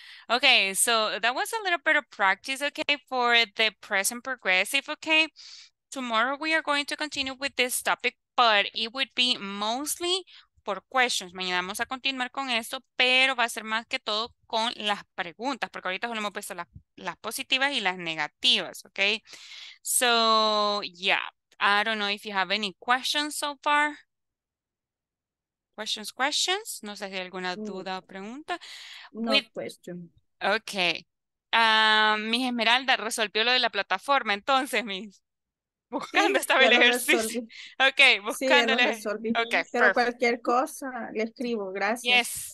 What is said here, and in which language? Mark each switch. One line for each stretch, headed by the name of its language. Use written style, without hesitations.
English: Okay, so that was a little bit of practice, okay, for the present progressive, okay? Tomorrow we are going to continue with this topic, but it would be mostly for questions.
Spanish: Mañana vamos a continuar con esto, pero va a ser más que todo con las preguntas, porque ahorita solo hemos puesto las positivas y las negativas, okay?
English: So, yeah, I don't know if you have any questions so far. Questions?
Spanish: No sé si hay alguna duda o pregunta.
English: No question. Okay.
Spanish: Miss Esmeralda resolvió lo de la plataforma, entonces, Miss. Buscando sí, estaba el ejercicio. Okay, buscándole. Sí, okay, pero perfect. Cualquier cosa, le escribo, gracias.